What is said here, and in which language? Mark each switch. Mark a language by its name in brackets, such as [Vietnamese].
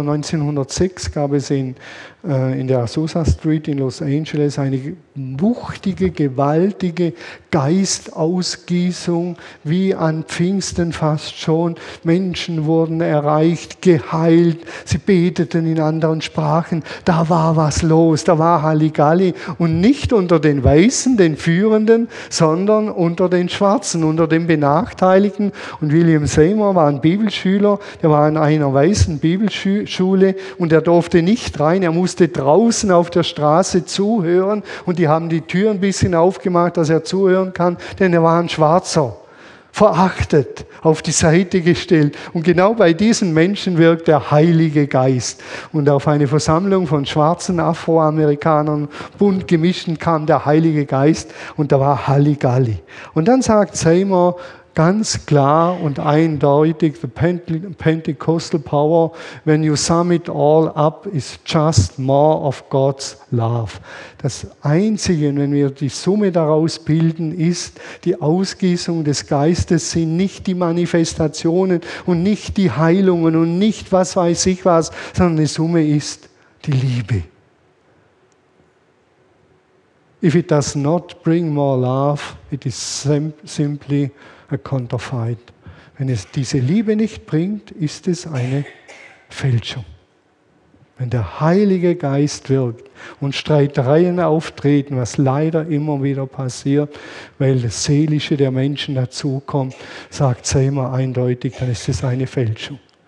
[German] 1906 gab es in der Azusa Street in Los Angeles eine wuchtige, gewaltige Geistausgießung, wie an Pfingsten fast schon. Menschen wurden erreicht, geheilt, sie beteten in anderen Sprachen. Da war was los, da war Halligalli. Und nicht unter den Weißen, den Führenden, sondern unter den Schwarzen, unter den Benachteiligten. Und William Seymour war ein Bibelschüler, der war in einer weißen Bibelschule und er durfte nicht rein, er musste draußen auf der Straße zuhören und die haben die Tür ein bisschen aufgemacht, dass er zuhören kann, denn er war ein Schwarzer, verachtet, auf die Seite gestellt. Und genau bei diesen Menschen wirkt der Heilige Geist. Und auf eine Versammlung von schwarzen Afroamerikanern, bunt gemischt, kam der Heilige Geist und da war Halligalli. Und dann sagt Seymour ganz klar und eindeutig, [English] the Pentecostal power, when you sum it all up, is just more of God's love. [German] Das Einzige, wenn wir die Summe daraus bilden, ist, die Ausgießung des Geistes sind nicht die Manifestationen und nicht die Heilungen und nicht was weiß ich was, sondern die Summe ist die Liebe. [English] If it does not bring more love, it is simply a counterfeit. [German] Wenn es diese Liebe nicht bringt, ist es eine Fälschung. Wenn der Heilige Geist wirkt und Streitereien auftreten, was leider immer wieder passiert, weil das Seelische der Menschen dazukommt, sagt Seymour eindeutig, dann ist es eine Fälschung.